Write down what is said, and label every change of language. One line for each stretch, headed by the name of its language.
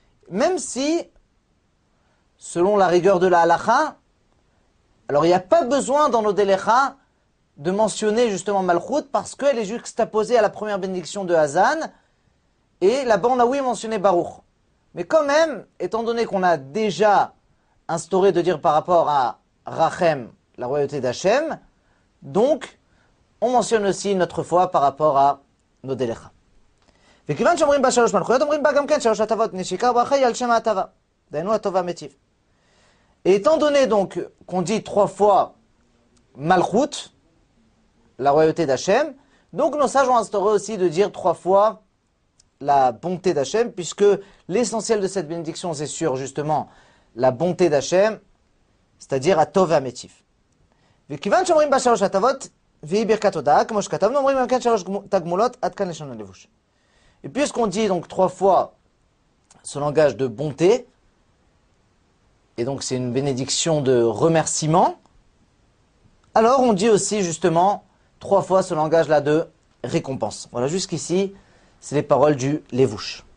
French: Même si, selon la rigueur de la halakha, alors il n'y a pas besoin dans nos délecha de mentionner justement Malchut parce qu'elle est juxtaposée à la première bénédiction de Hazan. Et là-bas, on a oui mentionné Baruch. Mais quand même, étant donné qu'on a déjà instauré de dire par rapport à Rachem, la royauté d'Hachem, donc on mentionne aussi notre foi par rapport à Nodelecha.
Hebrew: וכיוון שאומרים בה שלוש מלכויות, אומרים בה גם כן שלוש הטבות, נשיקה וברכה היא על שם ההטבה. דהיינו הטובה מטיב.
French: Et étant donné donc qu'on dit trois fois Malchut, la royauté d'Hachem, donc nos sages ont instauré aussi de dire trois fois la bonté d'Hachem, puisque l'essentiel de cette bénédiction, c'est sur justement la bonté d'Hachem, c'est-à-dire à Tov Ametiv.
Hebrew: וכיוון שאומרים בה שלוש הטבות, והיא ברכת הודעה, כמו שכתבנו, אומרים גם כן שלוש תגמולות, עד כאן לשון הלבוש.
French: Et puisqu'on dit donc trois fois ce langage de bonté, et donc c'est une bénédiction de remerciement, alors on dit aussi justement trois fois ce langage-là de récompense. Voilà, jusqu'ici, c'est les paroles du Levouche.